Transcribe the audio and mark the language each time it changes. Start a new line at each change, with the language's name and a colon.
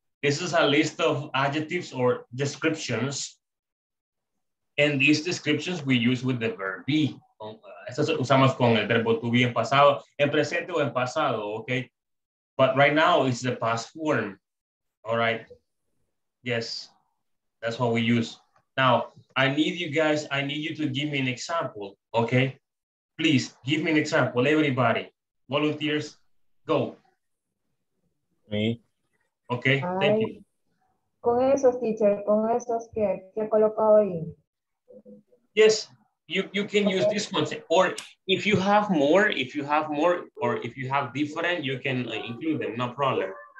English: This is a list of adjectives or descriptions. And these descriptions we use with the verb be.
Spanish: Estas usamos con el verbo to be en pasado, en presente o en pasado, okay?
English: But right now it's the past form, all right? Yes, that's what we use. Now, I need you guys, I need you to give me an example, okay? Please give me an example, everybody. Volunteers, go. Me. Okay, thank you.
Spanish: Con esos, teacher, con esos que he colocado ahí.
English: Yes, you can use this one, or if you have more, or if you have different, you can include them, no problem.